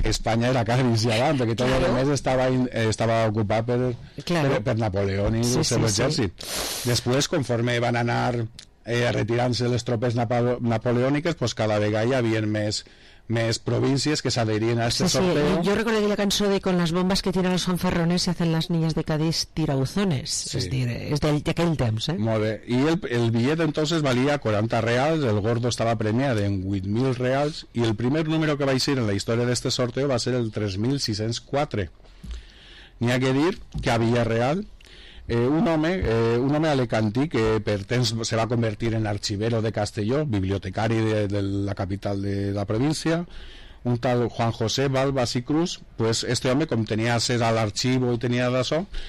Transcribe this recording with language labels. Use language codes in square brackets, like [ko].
[ca] Espanya era Cádiz i abans, perquè tot el mes estava ocupat per Napoleón i el seu exèrcit. Després, conforme van anar retirant-se les tropes napoleòniques, pues cada vegada hi havia més províncies que s'adherien a aquest sorteo. Jo recordo la cançó de [es] "Con las bombas que tiran los fanfarrones se hacen las niñas de Cádiz tirabuzones". [ca] Sí. És d'aquell temps, eh? Molt bé. I el bitllet entonces valia 40 reals, el gordo estava premiat en 8.000 reals, i el primer número que va aixir en la història d'aquest sorteo va ser el 3.604. N'hi ha que dir que a Villarreal un home alicantí que per temps se va convertir en arxivero de Castelló, bibliotecari de la capital de la província, un tal Juan José Balbas y Cruz, pues este home, com tenia accés a l'arxiv i tenia d'això,